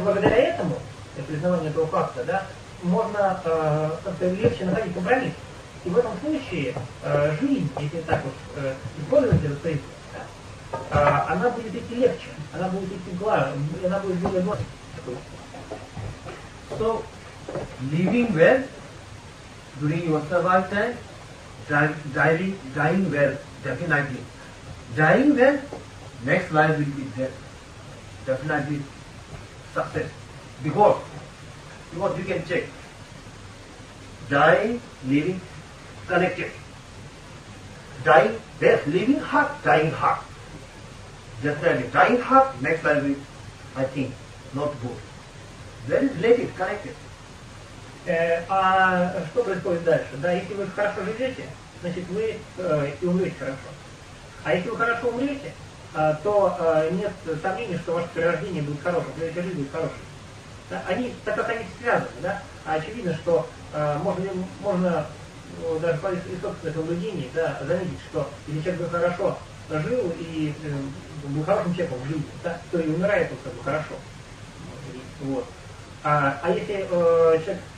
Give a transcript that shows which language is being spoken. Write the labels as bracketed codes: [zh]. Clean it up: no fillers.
[ru] Благодаря этому, для признавания этого факта, да, можно как-то легче находить компромисс. И в этом случае жизнь, если так вот использовать этот принцип, она будет идти легче, она будет идти гладче, она будет более гладкой. [en] So, living well during your survival time, dying well, definitely. Dying well, next life will be there. Definitely success. Because you can check. Dying, living, connected. Dying, death, living heart, dying heart. Just like dying heart, next time we, I think, not good. Very related, connected. [ru] А что происходит дальше? Да, если вы хорошо живете, значит вы и умрете хорошо. А если вы хорошо умрете, то нет сомнений, что ваше перерождение будет хорошим, следующая жизнь будет хорошей. Да, они, так как они связаны, да, очевидно, что можно даже по собственному наблюдению, да, заметить, что если человек бы хорошо жил и был хорошим человеком в жизни, да, то и умирает он как бы хорошо. Вот. А если человек